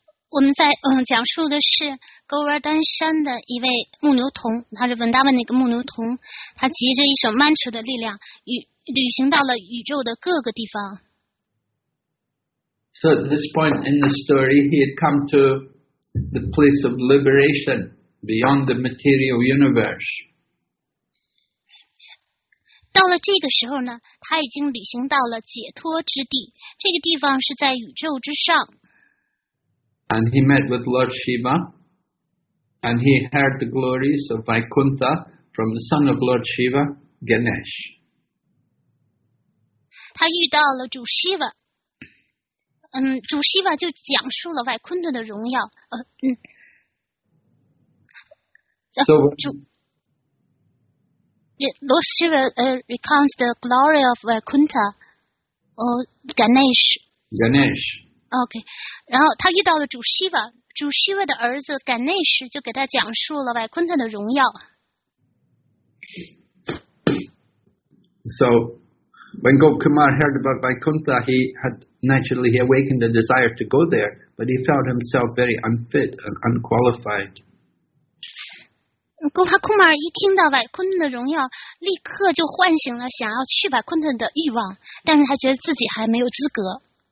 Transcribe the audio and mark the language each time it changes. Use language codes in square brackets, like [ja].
[zh] 我们在讲述的是 Govardhan 山的一位牧牛童，他是文达文的一个牧牛童，他集着一首 mantra 的力量，旅行到了宇宙的各个地方。 [en] So at this point in the story, he had come to the place of liberation beyond the material universe. [zh] 到了这个时候呢，他已经旅行到了解脱之地，这个地方是在宇宙之上。 [en] And he met with Lord Shiva, and he heard the glories of Vaikuntha from the son of Lord Shiva, Ganesh. [zh] 他遇到了主 Shiva, 主 Shiva 就讲述了 Vaikuntha 的荣耀。 [en] Lord Shiva recounts the glory of Vaikuntha or Ganesh. Ganesh. Okay. [zh] 然后他遇到了主 Shiva, 主 Shiva 的儿子 Ganesh 就给他讲述了 Vaikuntha 的荣耀。 [en] So, when Gop Kumar heard about Vaikuntha, he had naturally awakened a desire to go there, but he found himself very unfit and unqualified. [zh] 古哈库马尔一听到瓦昆顿的荣耀，立刻就唤醒了想要去瓦昆顿的欲望，但是他觉得自己还没有资格。